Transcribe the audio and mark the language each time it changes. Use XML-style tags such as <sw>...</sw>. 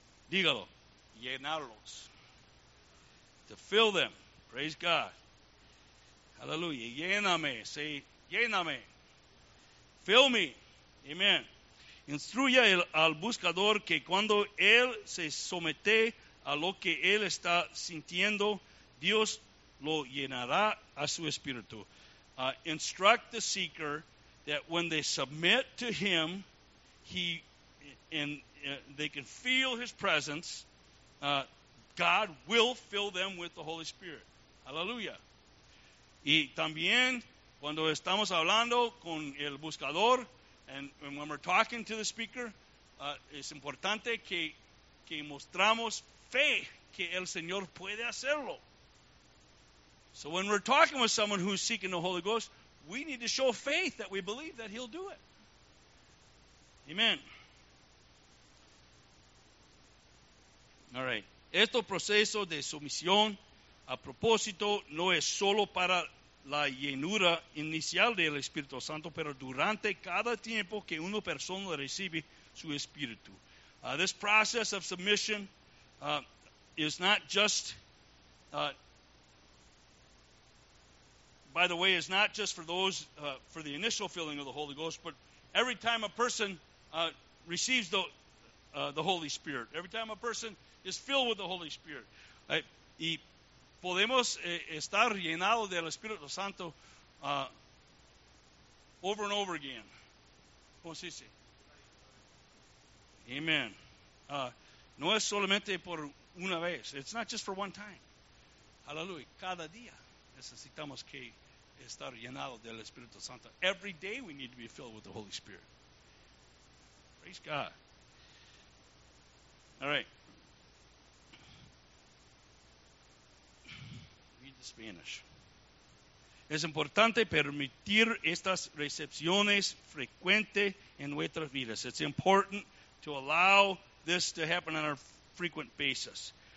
<es>Dígalo, llenarlos.</es> <en>To fill them. Praise God. Hallelujah.</en> <es>Lléname.</es> <en>Say, lléname. Fill me. Amen.</en> <es>Instruye al buscador que cuando él se somete a lo que él está sintiendo, Dios lo llenará a su espíritu.</es> <en>Instruct the seeker that when they submit to him, they can feel his presence, God will fill them with the Holy Spirit.</en> <es>Hallelujah. Y también cuando estamos hablando con el buscador,</es> <en>and when we're talking to the speaker,</en> <es>es importante que mostramos fe que el Señor puede hacerlo.</es> <en>So when we're talking with someone who's seeking the Holy Ghost, we need to show faith that we believe that He'll do it. Amen. All right.</en> <es>Este proceso de sumisión a propósito no es solo para la llenura inicial del Espíritu Santo, pero durante cada tiempo que una persona recibe su Espíritu.</es> <en>This process of submission is not just, by the way, is not just for those, for the initial filling of the Holy Ghost, but every time a person receives the Holy Spirit, every time a person is filled with the Holy Spirit.</en> <es>Y podemos estar llenados del Espíritu Santo</es> <en>over and over again.</en> <es>¿Cómo se dice? Amen. No es solamente por una vez.</es> <en>It's not just for one time.</en> <es>Hallelujah. Cada día necesitamos que estar llenados del Espíritu Santo.</es> <en>Every day we need to be filled with the Holy Spirit. Praise God. All right. Spanish.</en> <es>Es importante permitir estas recepciones frecuentes en nuestras vidas.</es> <en>It's important to allow this to happen on a frequent basis.</en>